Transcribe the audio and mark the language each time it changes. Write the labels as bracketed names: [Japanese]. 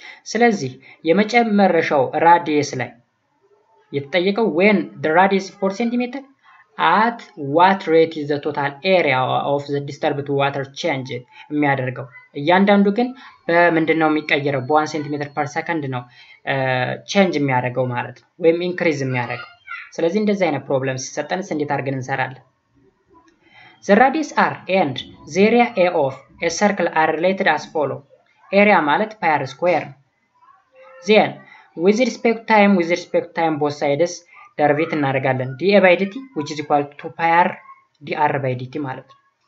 [Amharic] ስለዚህ የመጨመረሻው ራዲየስ ላይ የተጠየቀው [English] when the radius is 4 cm at what rate is the total area of the disturbed water changed? [Amharic] የሚያደርገው እያንዳንዱ ግን በምንድነው የሚቀየረው? በ1 ሴንቲሜትር ፐር ሰከንድ ነው ቼንጅ የሚያደርገው ማለት ነው፣ ወይም ኢንክሪዝ የሚያደርገው። ስለዚህ እንደዚህ አይነት ፕሮብለም ሲሰጠንስ እንዴት አድርገን እንሰራለን? [English] The radius r and the area a of a circle are related as follow. Area [Amharic] ማለት [English] pi r square. Then with respect to time both sides [Amharic] ደርቪት እናደርጋለን [English] dA by dt which is equal to pi r dr by dt [Amharic] ማለት ነው.